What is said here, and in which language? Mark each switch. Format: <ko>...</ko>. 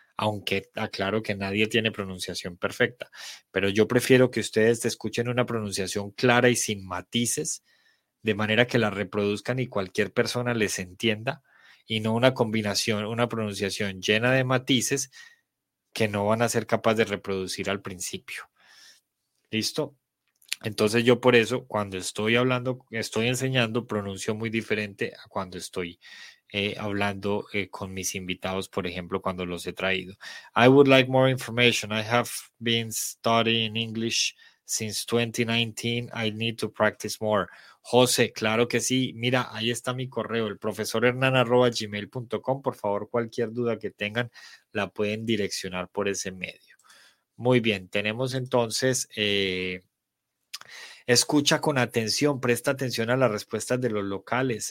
<es>Aunque aclaro que nadie tiene pronunciación perfecta, pero yo prefiero que ustedes escuchen una pronunciación clara y sin matices, de manera que la reproduzcan y cualquier persona les entienda, y no una combinación, una pronunciación llena de matices que no van a ser capaces de reproducir al principio. ¿Listo? Entonces yo por eso, cuando estoy hablando, estoy enseñando, pronuncio muy diferente a cuando estoy hablando con mis invitados, por ejemplo, cuando los he traído.</es> <en>I would like more information. I have been studying English since 2019. I need to practice more. José,</en> <es>claro que sí. Mira, ahí está mi correo, el profesorhernan@gmail.com. Por favor, cualquier duda que tengan, la pueden direccionar por ese medio. Muy bien, tenemos entonces... Escucha con atención, presta atención a las respuestas de los locales.</es>